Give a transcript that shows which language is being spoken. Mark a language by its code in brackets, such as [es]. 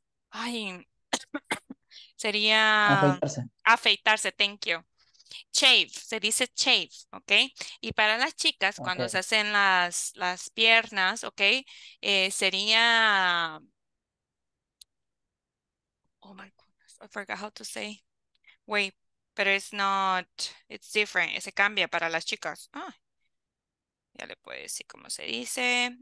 [es] Ay... Sería afeitarse, [en] thank you. Shave, [es] se dice [en] shave, ok. [es] Y para las chicas, okay, cuando se hacen las piernas, ok, sería... [en] Oh my goodness, I forgot how to say. Wait, but it's not, it's different. [es] Se cambia para las chicas. Ah, ya le puedo decir cómo se dice.